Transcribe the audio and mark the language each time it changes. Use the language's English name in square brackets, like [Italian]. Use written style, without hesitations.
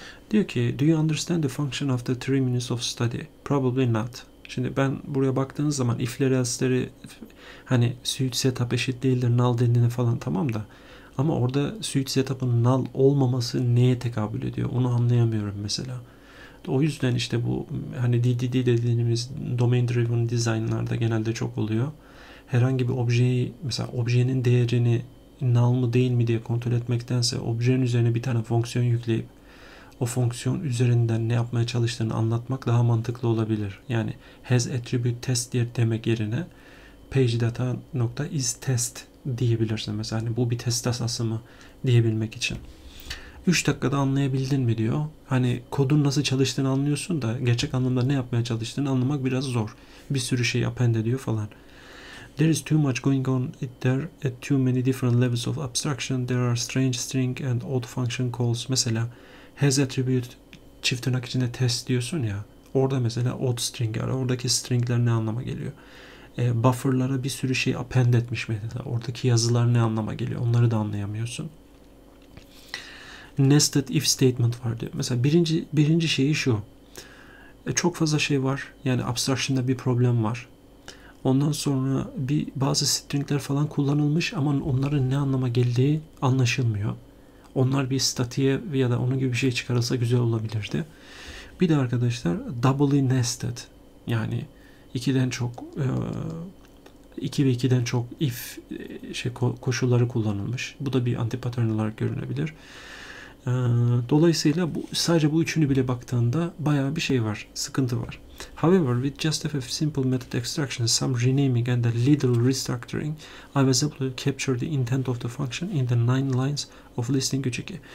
[Turkish] Diyor ki, [English] do you understand the function of the 3 minutes of study? Probably not. [Turkish] Şimdi ben buraya baktığınız zaman if'leri, else'leri hani switch setup eşit değildir, null dediğine falan tamam da ama orada switch setup'ın null olmaması neye tekabül ediyor? Onu anlayamıyorum mesela. O yüzden işte bu hani DDD dediğimiz domain driven design'larda genelde çok oluyor. Herhangi bir objeyi mesela objenin değerini null mı değil mi diye kontrol etmektense objenin üzerine bir tane fonksiyon yükleyip o fonksiyon üzerinden ne yapmaya çalıştığını anlatmak daha mantıklı olabilir. Yani has attribute test diye demek yerine page data.is test diyebilirsin. Mesela hani bu bir test asası mı diyebilmek için. 3 dakikada anlayabildin mi diyor. Hani kodun nasıl çalıştığını anlıyorsun da gerçek anlamda ne yapmaya çalıştığını anlamak biraz zor. Bir sürü şey append ediyor falan. [English] There is too much going on there at too many different levels of abstraction. There are strange string and odd function calls. [Turkish] Mesela has attribute çift tırnak içinde test diyorsun ya. Orada mesela odd string var. Oradaki stringler ne anlama geliyor? Bufferlara bir sürü şey append etmiş mesela. Oradaki yazılar ne anlama geliyor? Onları da anlayamıyorsun. Nested if statement var diyor. Mesela birinci şeyi şu. Çok fazla şey var. Yani abstraction'da bir problem var. Ondan sonra bazı stringler falan kullanılmış ama onların ne anlama geldiği anlaşılmıyor. Onlar bir statiye ya da onun gibi bir şey çıkarılsa güzel olabilirdi. Bir de arkadaşlar doubly nested. Yani ikiden çok 2 ve 2'den çok if şey koşulları kullanılmış. Bu da bir antipattern olarak görünebilir. Dolayısıyla sadece bu üçünü bile baktığında bayağı bir şey var, sıkıntı var. [English] However, with just a simple method extraction, some renaming and a little restructuring, I was able to capture the intent of the function in the nine lines of listing 3-2.